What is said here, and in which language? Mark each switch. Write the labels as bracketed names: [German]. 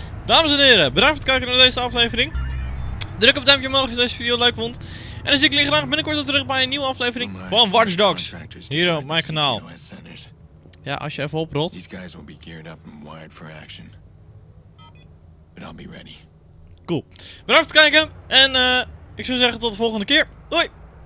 [Dutch] Dames en heren, bedankt voor het kijken naar deze aflevering. Druk op het duimpje omhoog als je deze video leuk vond. En dan zie ik jullie graag binnenkort weer terug bij een nieuwe aflevering van Watch Dogs. Hier op mijn kanaal. Ja, als je even oprolt. [English] These guys will be geared up and wired for action. But I'll be ready. [Dutch] Cool. Bedankt voor het kijken. En ik zou zeggen tot de volgende keer. Doei!